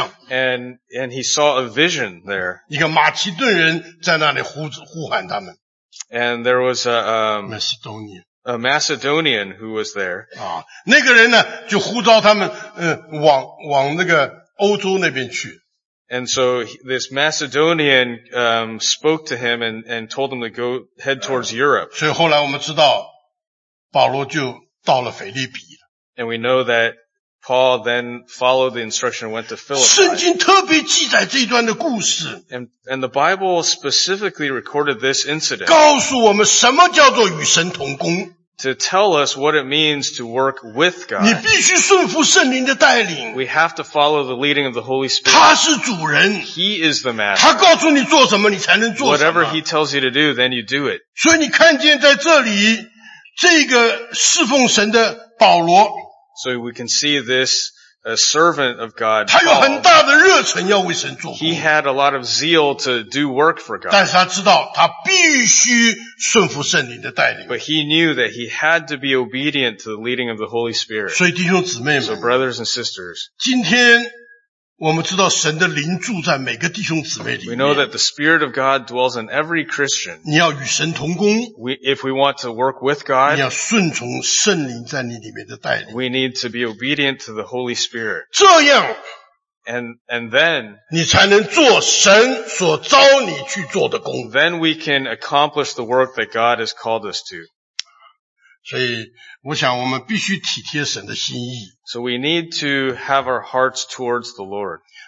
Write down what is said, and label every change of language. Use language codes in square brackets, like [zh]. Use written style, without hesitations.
[en] and he saw a vision there. And there was a Macedonian who was there. [zh] 那个人呢就呼召他们往那个欧洲那边去。 [en] And so this Macedonian spoke to him and told him to go head towards Europe. [zh] 所以后来我们知道保罗就到了腓立比。 [en] And we know that Paul then followed the instruction and went to Philippi. [zh] 圣经特别记载这一段的故事。 [en] And the Bible specifically recorded this incident. [zh] 告诉我们什么叫做与神同工。 [en] To tell us what it means to work with God. [zh] 你必须顺服圣灵的带领。 [en] We have to follow the leading of the Holy Spirit. [zh] 他是主人。 [en] He is the master. [zh] 他告诉你做什么，你才能做什么。 [en] Whatever he tells you to do, then you do it. [zh] 所以你看见在这里, 这个侍奉神的保罗, [en] so we can see this servant of God, [zh] Paul, 他有很大的热忱要为神做工。 [en] He had a lot of zeal to do work for God. [zh] 但是他知道他必须顺服圣灵的带领。 [en] But he knew that he had to be obedient to the leading of the Holy Spirit. [zh] 所以弟兄姊妹们, [en] so brothers and sisters, [zh] 今天, [en] We know that the Spirit of God dwells in every Christian. [zh] 你要与神同工, [en] if we want to work with God, [zh] 你要顺从圣灵在你里面的带领, [en] we need to be obedient to the Holy Spirit. [zh] 这样, [en] And then, then we can accomplish the work that God has called us to. [zh] 所以我想我们必须体贴神的心意。 [en] So we need to have our hearts towards the Lord.